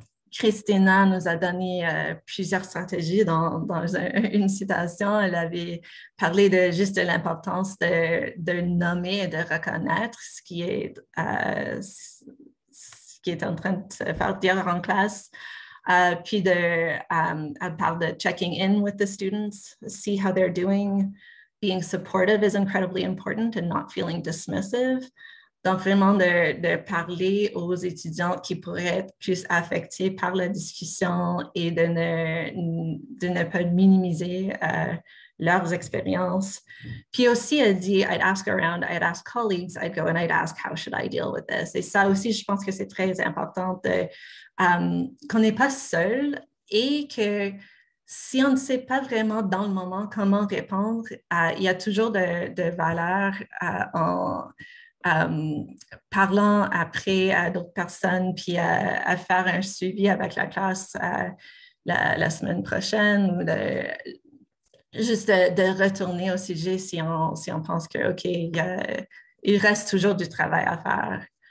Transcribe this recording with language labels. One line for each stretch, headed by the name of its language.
French: Christina nous a donné plusieurs stratégies dans une citation. Elle avait parlé de juste de l'importance de nommer et de reconnaître ce qui est en train de se faire dire en classe. Puis elle parle de
English: checking in with the students, see how they're doing. Being supportive is incredibly important and not feeling dismissive.
French: Donc, vraiment de parler aux étudiants qui pourraient être plus affectés par la discussion et de ne pas minimiser leurs expériences. Puis aussi, elle dit,
English: I'd ask around, I'd ask colleagues, I'd go and I'd ask, how should I deal with this?
French: Et ça aussi, je pense que c'est très important qu'on n'est pas seul et que si on ne sait pas vraiment dans le moment comment répondre, il y a toujours de valeur en parlant après à d'autres personnes puis à faire un suivi avec la classe la semaine prochaine ou juste de retourner au sujet si on pense que OK, il reste toujours du travail à faire.